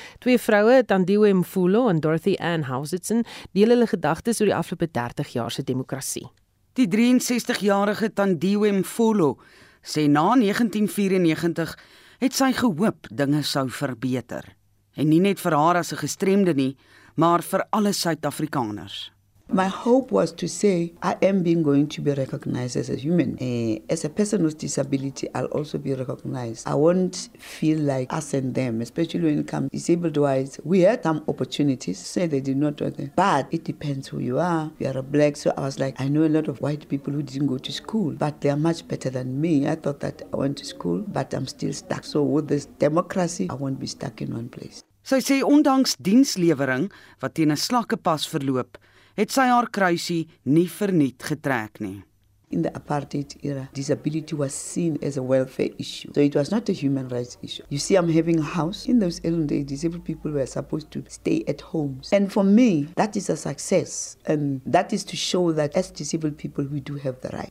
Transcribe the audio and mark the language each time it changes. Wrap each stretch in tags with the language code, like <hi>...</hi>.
<af>Twee vroue, Tandiwe Mfulo en Dorothy Ann Housitson, deel hulle gedagtes oor die afgelope 30 jaar se demokrasie. Die 63-jarige Tandiwe Mfulo sê na 1994 het sy gehoop dinge sou verbeter. En nie net vir haar as 'n gestremde nie, maar vir alle Suid-Afrikaners.</af> <en>My hope was to say I am being going to be recognized as a human. As a person with disability, I'll also be recognized. I won't feel like us and them, especially when it comes disabled-wise. We had some opportunities, say they did not want them. But it depends who you are. You are a black, so I was like, I know a lot of white people who didn't go to school, but they are much better than me. I thought that I went to school, but I'm still stuck. So with this democracy, I won't be stuck in one place.</en> <af>Sy sê ondanks dienslewering, wat teen 'n slakkepas verloop, het sy haar kruisie nie verniet getrek nie.</af> <en>In the apartheid era, disability was seen as a welfare issue. So it was not a human rights issue. You see, I'm having a house. In those early days, disabled people were supposed to stay at homes. And for me, that is a success. And that is to show that as disabled people, we do have the right.</en>